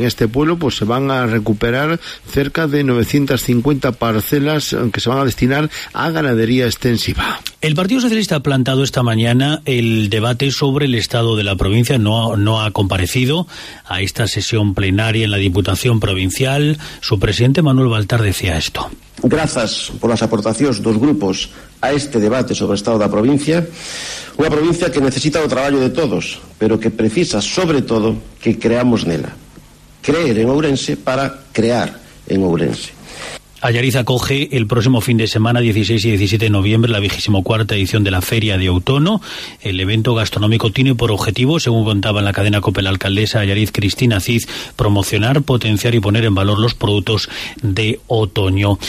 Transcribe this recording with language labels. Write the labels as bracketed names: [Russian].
[Spanish] En este pueblo pues se van a recuperar cerca de 950 parcelas que se van a destinar a ganadería extensiva. El Partido Socialista ha plantado esta mañana el debate sobre el estado de la provincia. No ha comparecido a esta sesión plenaria en la Diputación Provincial. Su presidente Manuel Baltar decía esto. [Galician] Grazas por las aportacións dos grupos a este debate sobre o estado da provincia, unha provincia que necesita o traballo de todos, pero que precisa, sobre todo, que creamos nela. [Spanish] Creer en Ourense para crear en Ourense. Allariz acoge el próximo fin de semana, 16 y 17 de noviembre, la 24ª edición de la Feria de Outono. El evento gastronómico tiene por objetivo, según contaba en la cadena COPE la alcaldesa Allariz Cristina Cid, promocionar, potenciar y poner en valor los productos de otoño.